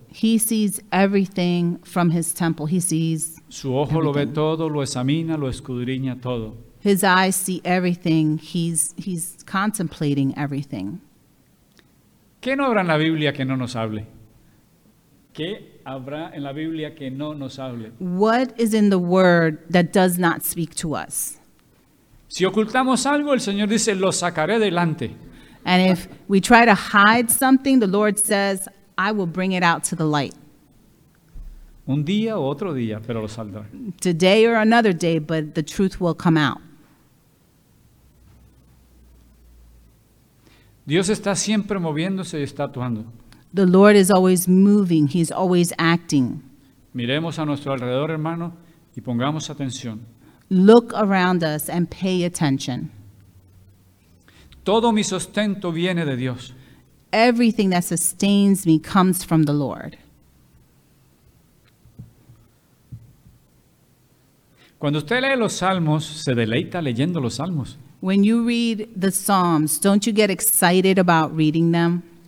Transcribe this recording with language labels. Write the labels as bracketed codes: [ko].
[en] He sees everything from his temple. He sees [es] su ojo [en] everything. [es] Lo ve todo, lo examina, lo escudriña todo. [en] His eyes see everything. He's contemplating everything. [es] ¿Qué no habrá en la Biblia que no nos hable? ¿Qué habrá en la Biblia que no nos hable? [en] What is in the word that does not speak to us? [es] Si ocultamos algo, el Señor dice, lo sacaré delante. [en] And if we try to hide something, the Lord says, I will bring it out to the light. [es] Un día o otro día, pero lo saldrá. [en] Today or another day, but the truth will come out. [es] Dios está siempre moviéndose y está actuando. [en] The Lord is always moving. He's always acting. [es] Miremos a nuestro alrededor, hermano, y pongamos atención. [en] Look around us and pay attention. [es] Todo mi sustento viene de Dios. [en] Everything that sustains me comes from the Lord. [es] Cuando usted lee los salmos, se deleita leyendo los salmos. [en] When you read the Psalms, don't you get excited about reading them?